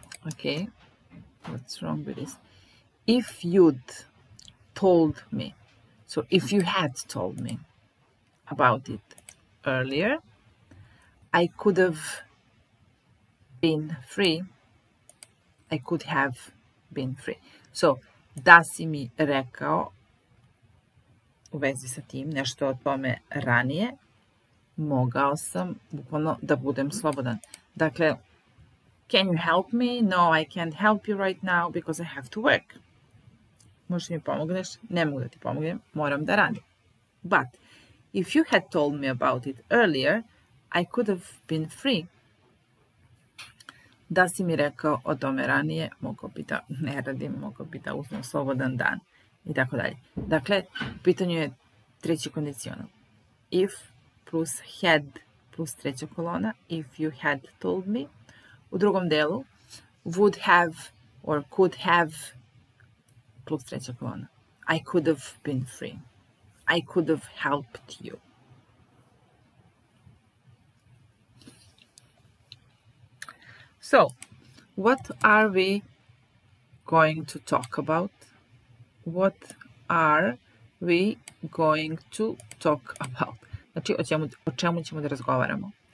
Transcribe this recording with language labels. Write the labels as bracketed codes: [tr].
[en] Okay, what's wrong with this? If you'd told me, so if you had told me about it earlier, I could have been free. I could have been free. [sr] So, da si mi rekao u vezi sa tim, nešto o tome ranije, mogao sam bukvalno da budem slobodan. Dakle, [en] can you help me? No, I can't help you right now because I have to work. [sr] Možeš mi pomogneš? Ne mogu da ti pomognem, moram da radim. [en] But if you had told me about it earlier, I could have been free. [sr] Da si mi rekao o tome ranije, mogao bi da ne radim, mogao bi da uzmem slobodan dan. I tako dalje. Dakle, u pitanju je treći kondicional. [en] If plus had plus [sr] treća kolona, [en] if you had told me. [sr] U drugom delu, [en] would have or could have [sr] plus treća kolona. [en] I could have been free. I could have helped you. So, what are we going to talk about? What are we going to talk about? [sr] Znači, o čemu ćemo da razgovaramo?